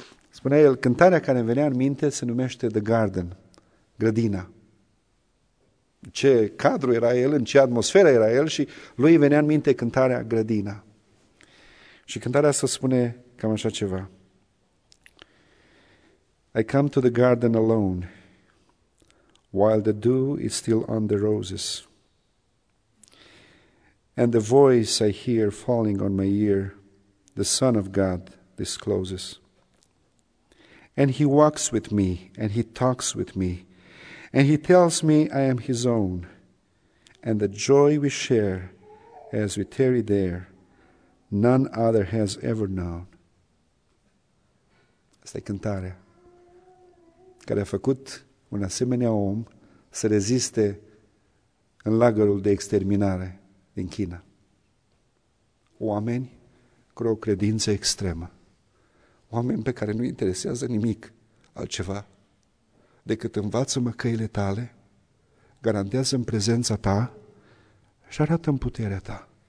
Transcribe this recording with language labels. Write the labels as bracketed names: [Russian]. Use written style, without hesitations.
[Romanian] Spunea el, cântarea care îmi venea în minte se numește The Garden, grădina. Ce cadru era el, în ce atmosferă era el și lui venea în minte cântarea Grădina. Și cântarea asta spune cam așa ceva. [English] I come to the garden alone while the dew is still on the roses and the voice I hear falling on my ear the Son of God discloses. And he walks with me and he talks with me and he tells me I am his own, and the joy we share as we tarry there, none other has ever known. [Romanian] Asta e cântarea care a făcut un asemenea om să reziste în lagărul de exterminare din China. Oameni cu o credință extremă. Oameni pe care nu interesează nimic altceva decât învață-mă căile tale, garantează-mi prezența ta și arată-mi puterea ta.